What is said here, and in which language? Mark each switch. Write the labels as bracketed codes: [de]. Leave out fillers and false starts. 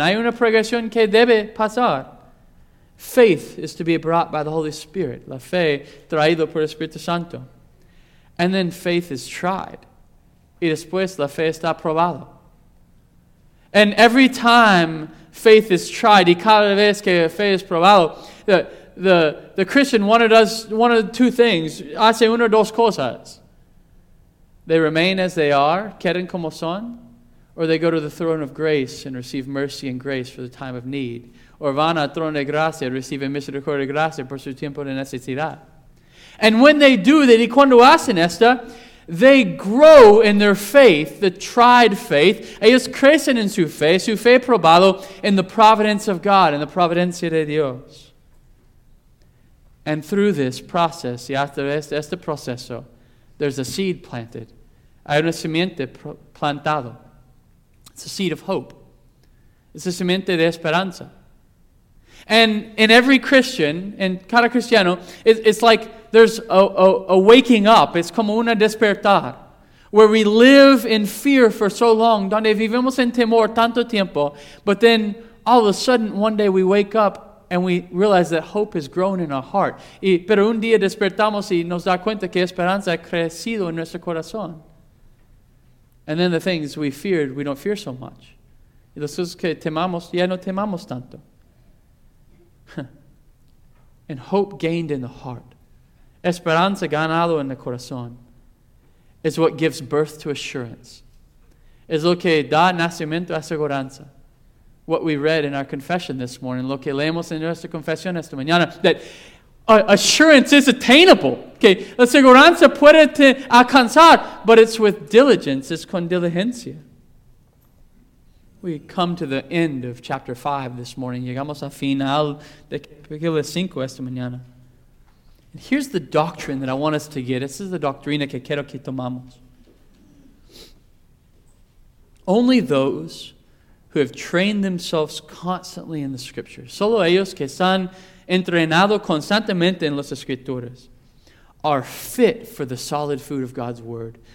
[es] Hay una progresión que debe pasar. [en] Faith is to be brought by the Holy Spirit. [es] La fe traído por el Espíritu Santo. [en] And then faith is tried. [es] Y después la fe está probado. [en] And every time faith is tried, [es] y cada vez que fe es probado, [en] the Christian does one of the two things. [es] Hace una o dos cosas. [en] They remain as they are, [es] quedan como son, [en] or they go to the throne of grace and receive mercy and grace for the time of need. [es] Or van al trono de gracia, reciben misericordia y gracia por su tiempo de necesidad. [en] And when they do that, [es] y cuando hacen esta, [en] they grow in their faith, the tried faith. [es] Ellos crecen en su fe probado, [en] in the providence of God, in the [es] providencia de Dios. [en] And through this process, [es] y hasta este proceso, [en] there's a seed planted. [es] Hay una simiente plantado. [en] It's a seed of hope. It's a [es] simiente de esperanza. [en] And in every Christian, in [es] cada cristiano, [en] it's like there's a waking up. It's [es] como una despertar. [en] Where we live in fear for so long, [es] donde vivimos en temor tanto tiempo, [en] but then all of a sudden, one day we wake up and we realize that hope has grown in our heart. [es] Pero un día despertamos y nos da cuenta que esperanza ha crecido en nuestro corazón. [en] And then the things we feared, we don't fear so much. [es] Y las cosas que temamos, ya no temamos tanto. [en] And hope gained in the heart, [es] esperanza ganado en el corazón, [en] is what gives birth to assurance. [es] Es lo que da nacimiento a seguranza. [en] What we read in our confession this morning, [es] lo que leemos en nuestra confesión esta mañana, [en] that assurance is attainable. [es] Okay, la seguranza puede alcanzar, [en] but it's with diligence, it's [es] con diligencia. [en] We come to the end of chapter 5 this morning. [es] Llegamos al final de capítulo 5 esta mañana. [en] And here's the doctrine that I want us to get. This is the [es] doctrina que quiero que tomamos. [en] Only those who have trained themselves constantly in the Scriptures, [es] solo ellos que están entrenados constantemente en las Escrituras, [en] are fit for the solid food of God's Word.